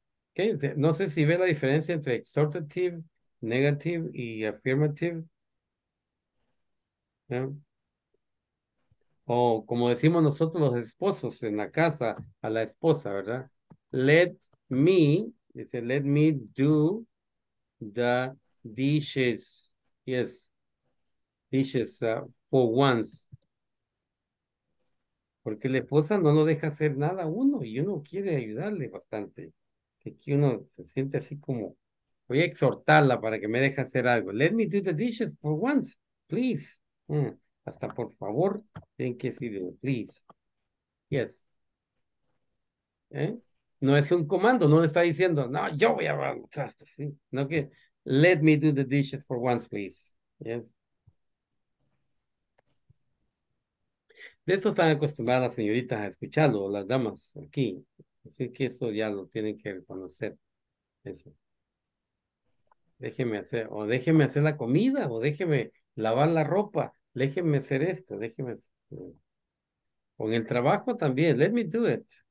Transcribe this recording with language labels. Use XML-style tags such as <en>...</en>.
<es>Okay. No sé si ve la diferencia entre exhortative, negative y affirmative. Yeah. O como decimos nosotros los esposos en la casa, a la esposa, ¿verdad?</es> <en>Let me, dice, let me do the dishes. Yes, dishes for once.</en> <es>Porque la esposa no lo deja hacer nada a uno y uno quiere ayudarle bastante. Así que uno se siente así como, voy a exhortarla para que me deje hacer algo.</es> <en>Let me do the dishes for once, please.</en> <es>Hasta por favor, tienen que decirle, please. Yes. ¿Eh? No es un comando, no le está diciendo, no, yo voy a lavar los trastes, ¿sí? No que,</es> <en>let me do the dishes for once, please. Yes.</en> <es>De esto están acostumbradas las señoritas a escucharlo, las damas aquí. Así que esto ya lo tienen que reconocer. Eso. Déjeme hacer la comida, o déjeme lavar la ropa, déjeme hacer esto, déjeme hacer. O en el trabajo también,</es> <en>let me do it.</en>